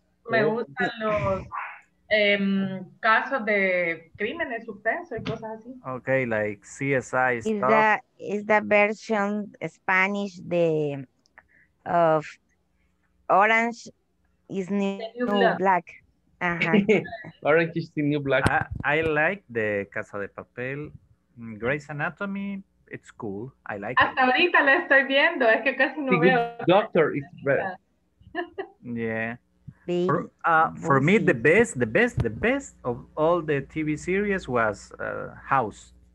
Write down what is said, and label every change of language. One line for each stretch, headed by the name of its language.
Spanish: Me gustan los casos de crímenes, suspenso y cosas así.
English: Okay, like CSI is tough. Is the version Spanish of Orange is New Black. Uh-huh. Orange is the New Black. I like the Casa de Papel. Grey's Anatomy, it's cool. I like
Spanish: hasta Hasta ahorita la estoy viendo, es que casi no veo.
English: Doctor is better. Yeah. For me, the best of all the TV series was House.